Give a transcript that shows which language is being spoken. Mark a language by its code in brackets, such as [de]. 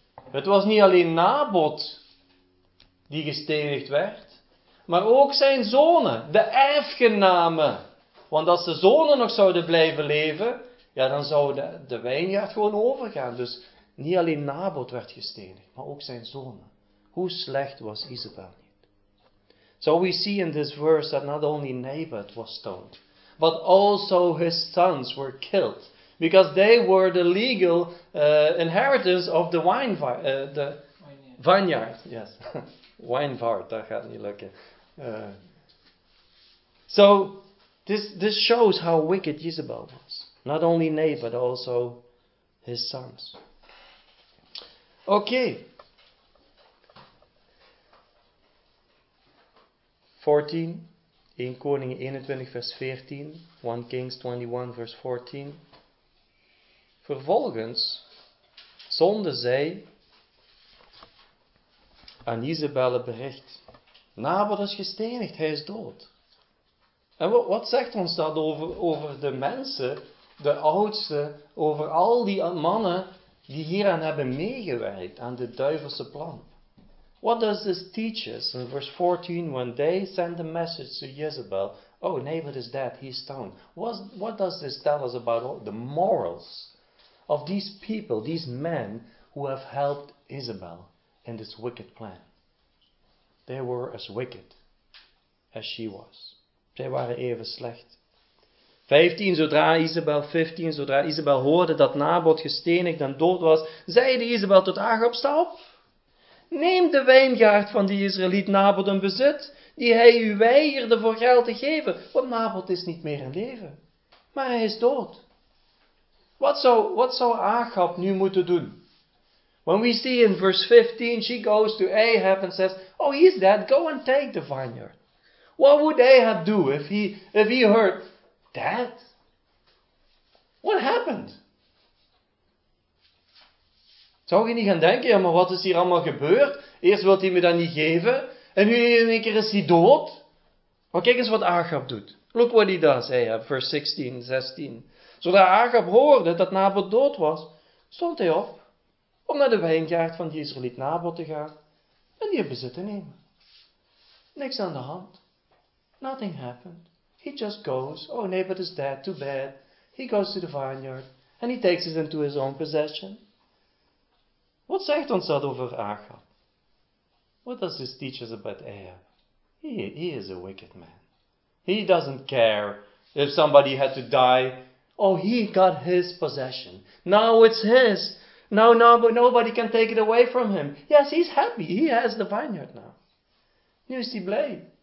[nl] Het was niet alleen Naboth die gestenigd werd, maar ook zijn zonen, de erfgenamen. Want als de zonen nog zouden blijven leven, ja, dan zou de wijngaard gewoon overgaan. Dus niet alleen Naboth werd gestenigd, maar ook zijn zonen. Hoe slecht was Jezebel niet? [en] So we see in this verse that not only Naboth was stoned, but also his sons were killed. Because they were the legal inheritance of the vineyard. Yes. [nl] Wijnvaart, dat gaat niet lukken. [en] So, this shows how wicked Jezebel was. Not only Naboth, but also his sons. Okay. [nl] 14, 1 Koningen 21 vers 14, [en] 1 Kings [nl] 21 vers 14. Vervolgens zonden zij aan Jezebel het bericht. Naboth is gestenigd, hij is dood. En wat zegt ons dat over de mensen, de oudsten, over al die mannen die hieraan hebben meegewerkt, aan de duivelse plan? [en] What does this teach us in verse 14, when they send a message to Jezebel, oh, Naboth is dead, he's stoned. What does this tell us about the morals of these people, these men who have helped Jezebel in this wicked plan? They were as wicked as she was. [nl] Zij waren even slecht. 15, zodra Jezebel, 15, zodra Jezebel hoorde dat Naboth gestenigd en dood was, zeide Jezebel tot Ahab, sta op. Neem de wijngaard van die Israëliet Naboth in bezit, die hij u weigerde voor geld te geven. Want Naboth is niet meer in leven, maar hij is dood. Wat zou Ahab nu moeten doen? [en] When we see in verse 15, she goes to Ahab and says, oh, he's dead, go and take the vineyard. What would Ahab do if he heard, dead? What happened? [nl] Zou je niet gaan denken, ja, maar wat is hier allemaal gebeurd? Eerst wilt hij me dat niet geven, en nu in een keer is hij dood? Maar kijk eens wat Ahab doet. [en] Look what he does, Ahab, verse 16, 16. [nl] Zodra Ahab hoorde dat Naboth dood was, stond hij op om naar de wijngaard van de Israëliet Naboth te gaan en die in bezit te nemen. Niks aan de hand. [en] Nothing happened. He just goes, oh, Naboth is dead, too bad. He goes to the vineyard and he takes it into his own possession. [nl] Wat zegt ons dat over Ahab? [en] What does this teach us about Ahab? He is a wicked man. He doesn't care if somebody had to die. Oh, he got his possession. Now it's his. No, but nobody can take it away from him. Yes, he's happy. He has the vineyard now. [nl] Nu is hij blij.